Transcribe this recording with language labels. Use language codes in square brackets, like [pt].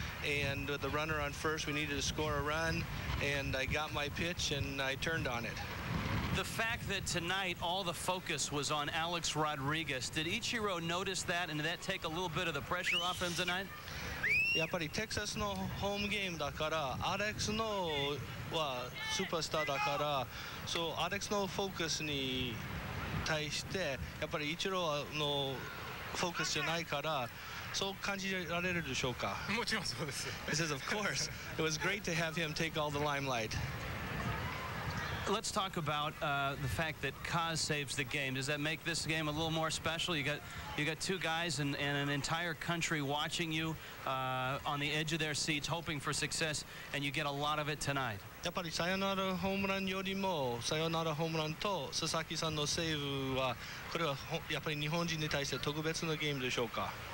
[en] And with the runner on first, we needed to score a run, and I got my pitch and I turned on it. The fact that tonight all the focus was on Alex Rodriguez, did Ichiro notice that, and did that take a little bit of the pressure off him tonight? [ja] やっぱりテキサスのホームゲームだから、アレックスのはスーパースターだから、そうアレックスのフォーカスに対して、やっぱりイチローのフォーカスじゃないから、そう感じられるでしょうか。もちろんそうです。 [en] He says, of course. It was great to have him take all the limelight. Let's talk about the fact that Kaz saves the game. Does that make this game a little more special? You got two guys and an entire country watching you on the edge of their seats, hoping for success, and you get a lot of it tonight. [ja] やっぱりサヨナラホームランよりもサヨナラホームランと佐々木さんのセーブはこれはやっぱり日本人に対して特別なゲームでしょうか。